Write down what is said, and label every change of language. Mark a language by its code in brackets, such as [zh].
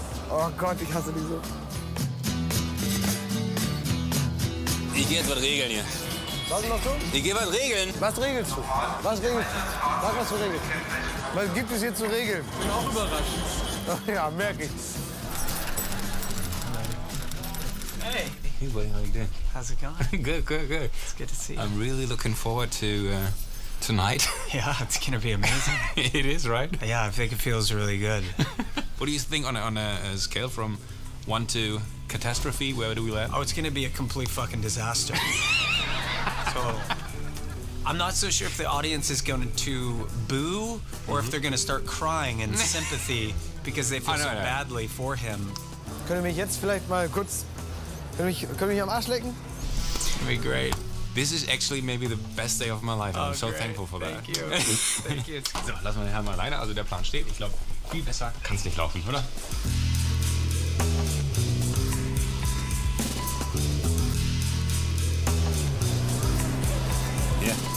[de] Oh Gott, ich hasse die so. Ich geh jetzt was regeln hier. Was machst du? Ich geh was regeln. Was regelst du? Was regelst du? Sag, was du regelst. Was gibt es hier zu regeln? Ich bin auch überrascht. Ja, merke ich. Hey. [en] Hey, buddy, how are you doing? How's it going? Good, good, good. It's good to see you. I'm really looking forward to... tonight. Yeah, it's gonna be amazing. It is, right? Yeah, I think it feels really good. What do you think on a scale from 1 to catastrophe? Where do we land? Oh, it's gonna be a complete fucking disaster. So, I'm not so sure if the audience is going to boo or mm-hmm. if they're gonna start crying in sympathy because they feel so badly for him. [de] Können wir mich jetzt vielleicht mal kurz am Arsch lecken? [en] It's gonna be great. This is actually maybe the best day of my life. Oh, I'm so great. Thankful for Thank that. Thank you. Thank you. [de] So, lass mal den Herrn mal alleine. Also der Plan steht. Ich glaube, viel besser kann es nicht laufen, oder? [en] Yeah.